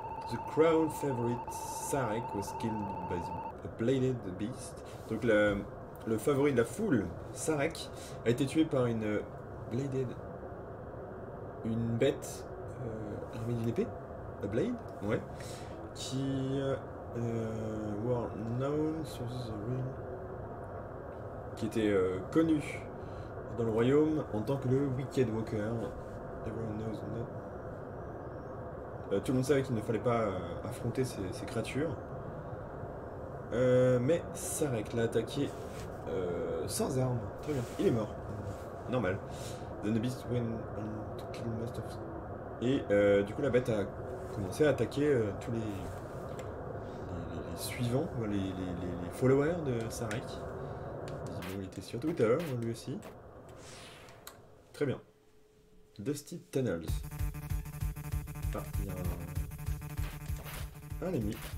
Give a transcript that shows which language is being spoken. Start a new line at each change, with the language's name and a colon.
English: The crown favorite Sarek was killed by a bladed beast. Donc
French: le favori de la foule, Sarek, a été tué par une bladed, une bête armée d'une épée, a blade, ouais, qui
English: were known sources of ruin,
French: qui était connu dans le royaume en tant que le Wicked Walker.
English: Everyone knows that.
French: Tout le monde savait qu'il ne fallait pas affronter ces créatures. Mais Sarek l'a attaqué sans arme. Très bien. Il est mort. Normal.
English: Then the beast went on to kill most of...
French: Et du coup, la bête a commencé à attaquer tous les suivants, les followers de Sarek. Il était sur Twitter, lui aussi. Très bien. Dusty Tunnels. Ah, il y a un ennemi.